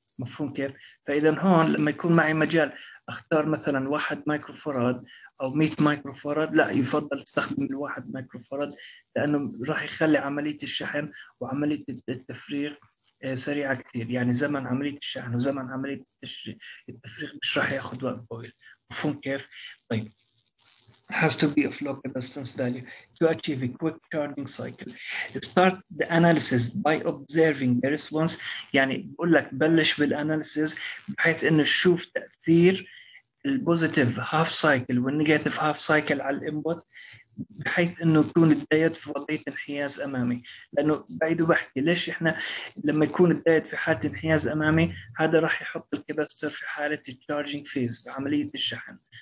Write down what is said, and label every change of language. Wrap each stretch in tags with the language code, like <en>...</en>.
<ar>مفهوم كيف؟ فاذا هون لما يكون معي مجال اختار مثلا 1 مايكرو فراد او 100 مايكرو فراد، لا يفضل استخدم الواحد مايكرو فراد، لانه راح يخلي عمليه الشحن وعمليه التفريغ سريعه كثير، يعني زمن عمليه الشحن وزمن عمليه التفريغ مش راح ياخذ وقت طويل. مفهوم كيف؟ طيب</ar> <en>has to be of low capacitance value to achieve a quick charging cycle. Start the analysis by observing the response.</en> <ar>يعني بقول لك بلش بالاناليسيز بحيث انه تشوف تاثير البوزيتيف هاف سايكل والنيجاتيف هاف سايكل على الانبوت بحيث انه تكون الدايت في وضعيه انحياز امامي. لانه بعيد وبحكي ليش احنا لما يكون الدايت في حاله انحياز امامي هذا راح يحط الكباستر في حاله التشارجنج فيز بعمليه الشحن.</ar>